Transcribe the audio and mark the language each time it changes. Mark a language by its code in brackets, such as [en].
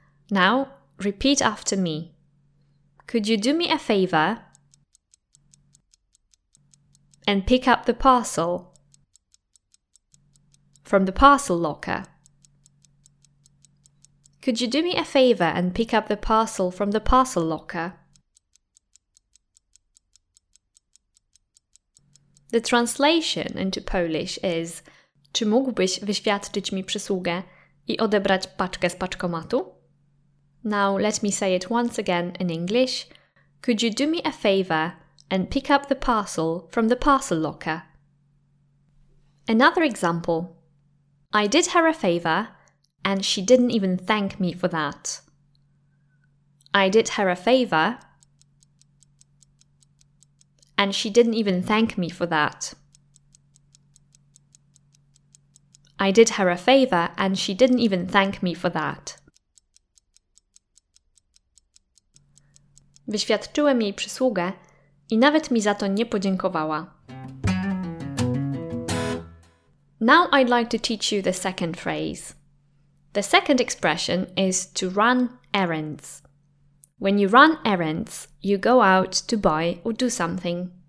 [en] Now, repeat after me. Could you do me a favor and pick up the parcel from the parcel locker? Could you do me a favor and pick up the parcel from the parcel locker? The translation into Polish is: [pl] czy mógłbyś wyświadczyć mi przysługę i odebrać paczkę z paczkomatu? [en] Now let me say it once again in English. Could you do me a favor and pick up the parcel from the parcel locker? Another example. I did her a favor and she didn't even thank me for that. I did her a favor and she didn't even thank me for that. I did her a favor and she didn't even thank me for that. [pl] Wyświadczyłem jej przysługę i nawet mi za to nie podziękowała. [en] Now I'd like to teach you the second phrase. The second expression is to run errands. When you run errands, you go out to buy or do something.